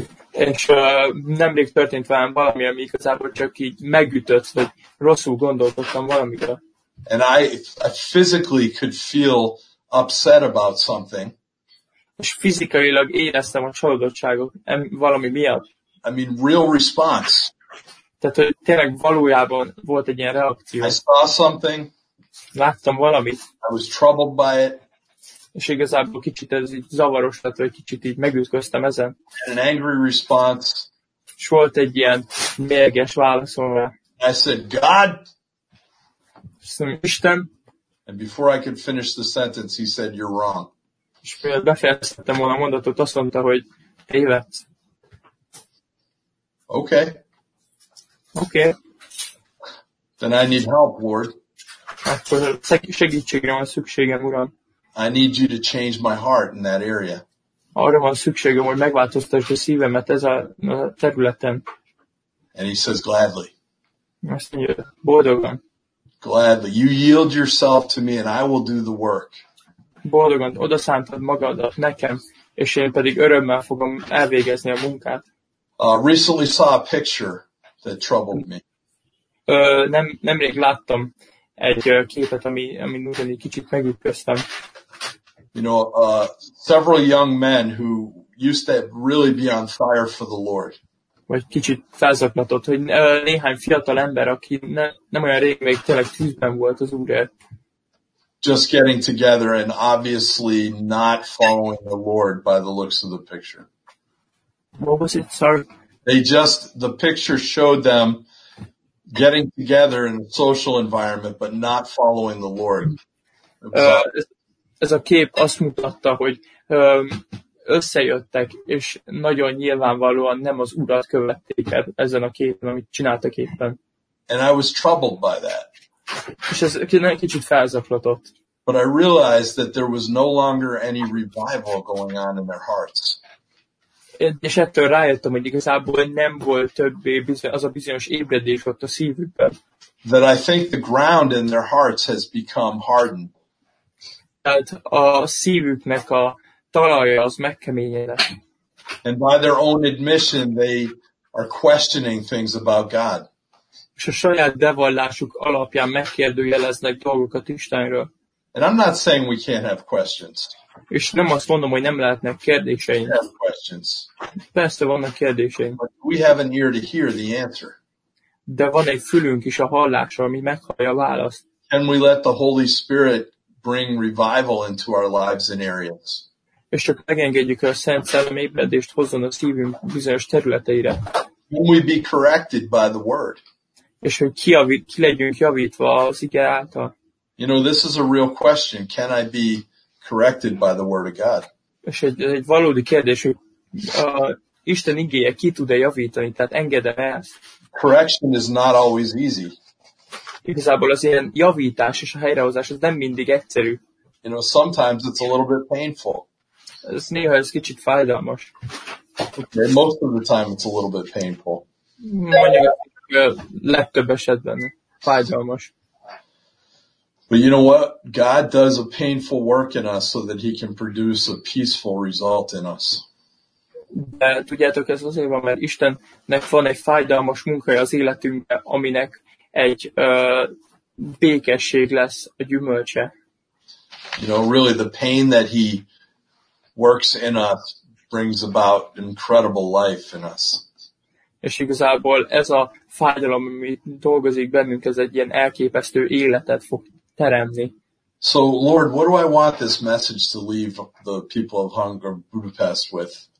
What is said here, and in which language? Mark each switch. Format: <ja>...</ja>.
<hu>És nemrég történt velem valami, ami igazából csak így megütött, hogy rosszul gondoltam valamire.</hu> <en>And I physically could feel upset about something.</en> <hu>És fizikailag éreztem a csalódottságot valami miatt.</hu> <en>I mean, real response.</en> <hu>Tehát, hogy tényleg valójában volt egy ilyen reakció.</hu> <en>I saw something.</en> <hu>Láttam valamit.</hu> <en>I was troubled by it.</en> <hu>És igazából kicsit ez így zavaros lett, vagy kicsit így megütköztem ezen.</hu> <en>An angry response.</en> <hu>És volt egy ilyen mérges válaszom rá.</hu> <en>I said, God!</en> <hu>Isten!</hu> <en>And before I could finish the sentence, he said, you're wrong.</en> <hu>És például befejeztettem volna a mondatot, azt mondta, hogy tévedsz.</hu> <en>Okay.</en> <hu>Okay.</hu> <en>Then I need help, Lord.</en> <hu>Akkor segítségre van szükségem, Uram.</hu> <en>I need you to change my heart in that area.</en> <hu>Arra van szükségem, hogy megváltoztasd a szívemet ez a területen.</hu> <en>And he says, gladly.</en> <hu>Azt mondja, boldogan.</hu> <en>Gladly. You yield yourself to me, and I will do the work.</en> <hu>Boldogan, odaszántad magadat nekem, és én pedig örömmel fogom elvégezni a munkát.</hu> <en>Recently saw a picture that troubled me.</en> <hu>Nemrég láttam egy képet, ami úgy kicsit megütköztem.</hu> <en>You know, several young men who used to really be on fire for the Lord.</en> <hu>Vagy kicsit felzaklatott, hogy néhány fiatal ember, aki nem olyan rég még tényleg tűzben volt az Úrért.</hu> <en>Just getting together and obviously not following the Lord by the looks of the picture. What was it? Sorry. The picture showed them getting together in a social environment, but not following the Lord.</en> <hu>Ez a kép azt mutatta, hogy összejöttek, és nagyon nyilvánvalóan nem az Urat követték ezen a képen, amit csináltak éppen.</hu> <en>And I was troubled by that.</en> <hu>És ez kicsit felzaklatott.</hu> <en>But I realized that there was no longer any revival going on in their hearts.</en> <hu>És ettől rájöttem, hogy igazából nem volt többé az a bizonyos ébredés ott a szívükben.</hu> <en>That I think the ground in their hearts has become hardened.</en> <hu>Tehát a szívüknek a talaja az megkeményedett.</hu> <en>And by their own admission, they are questioning things about God.</en> <hu>És a saját bevallásuk alapján megkérdőjeleznek dolgokat Istenről.</hu> <en>And I'm not saying we can't have questions.</en> <hu>És nem azt mondom, hogy nem lehetnek kérdéseink.</hu> <en>We have questions.</en> <hu>Persze vannak kérdéseink.</hu> <en>But we have an ear to hear the answer.</en> <hu>De van egy fülünk is a hallásra, ami meghallja a választ.</hu> <en>Can we let the Holy Spirit bring revival into our lives and areas?</en> <hu>És csak megengedjük, hogy a Szent Szellem ébredést hozzon a szívünk bizonyos területeire.</hu> <en>Can we be corrected by the word?</en> <hu>És hogy ki legyünk javítva az ige által.</hu> <en>You know, this is a real question. Can I be corrected by the word of God?</en> <hu>És egy valódi kérdés, hogy Isten igéje ki tud-e javítani, tehát engedem ezt.</hu> <en>Correction is not always easy.</en> <hu>igazából az ilyen javítás és a helyrehozás az nem mindig egyszerű.</hu> <en>You know, sometimes it's a little bit painful.</en> <hu>Ez néha ez kicsit fájdalmas.</hu> <en>Yeah, most of the time it's a little bit painful.</en> <hu>Mondjuk legtöbb esetben fájdalmas.</hu> <en>But you know what? God does a painful work in us so that he can produce a peaceful result in us.</en> <hu>De tudjátok, ez azért van, mert Istennek van egy fájdalmas munkája az életünkben, aminek egy békesség lesz a gyümölcse.</hu> <en>You know, really the pain that he works in us brings about incredible life in us.</en> <hu>És igazából ez a fájdalom, ami dolgozik bennünk, ez egy ilyen elképesztő életet fog teremni.</hu> <en>So, Lord, what do I want this message to leave the people of Hungary, Budapest with?</en>